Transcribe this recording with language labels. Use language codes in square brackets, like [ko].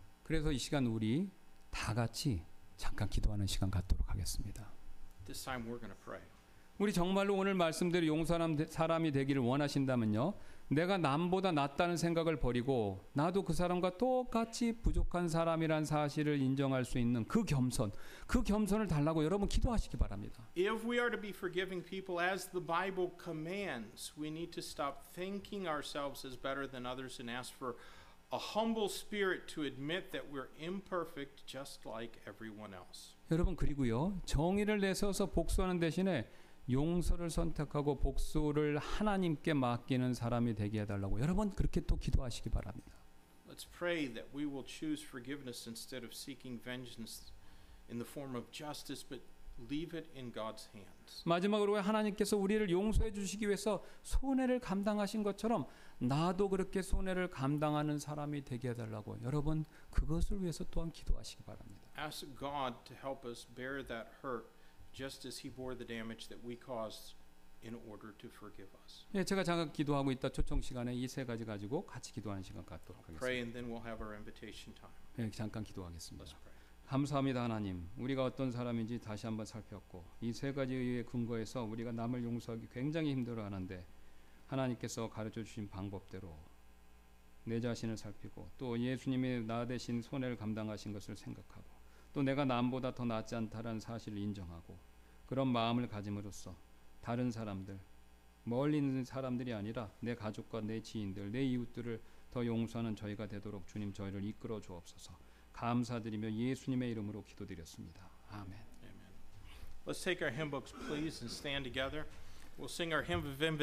[ko] 그래서 이 시간 우리 다 같이 잠깐 기도하는 시간 갖도록 하겠습니다. [en] This time we're going to pray. [ko] 우리 정말로 오늘 말씀대로 용서하는 사람이 되기를 원하신다면요, 내가 남보다 낫다는 생각을 버리고 나도 그 사람과 똑같이 부족한 사람이란 사실을 인정할 수 있는 그 겸손을 달라고 여러분 기도하시기 바랍니다. [en] If we are to be forgiving people as the Bible commands, we need to stop thinking ourselves as better than others and ask for a humble spirit to admit that we're imperfect just like everyone else. [ko] 여러분 그리고요, 정의를 내세워서 복수하는 대신에 용서를 선택하고 복수를 하나님께 맡기는 사람이 되게 해달라고 여러분 그렇게 또 기도하시기 바랍니다. [en] Let's pray that we will choose forgiveness instead of seeking vengeance in the form of justice, but leave it in God's hands. [ko] 마지막으로 하나님께서 우리를 용서해 주시기 위해서 손해를 감당하신 것처럼 나도 그렇게 손해를 감당하는 사람이 되게 해달라고 여러분 그것을 위해서 또한 기도하시기 바랍니다. [en] Ask God to help us bear that hurt just as he bore the damage that we caused in order to forgive us. [ko] 예, 제가 잠깐 기도하고 있다 초청 시간에 이 세 가지 가지고 같이 기도하는 시간 갖도록 하겠습니다. [en] Pray and then we'll have our invitation time. [ko] 예, 잠깐 기도하겠습니다. 감사합니다 하나님. 우리가 어떤 사람인지 다시 한번 살폈고 이 세 가지의 근거에서 우리가 남을 용서하기 굉장히 힘들어하는데 하나님께서 가르쳐주신 방법대로 내 자신을 살피고 또 예수님이 나 대신 손해를 감당하신 것을 생각하고 또 내가 남보다 더 낫지 않다라는 사실을 인정하고 그런 마음을 가짐으로써 다른 사람들, 멀리 있는 사람들이 아니라 내 가족과 내 지인들, 내 이웃들을 더 용서하는 저희가 되도록 주님 저희를 이끌어 주옵소서. 감사드리며 예수님의 이름으로 기도드렸습니다. 아멘. [en] Amen. Let's take our hymn books, please, and stand together. We'll sing our hymn of invitation.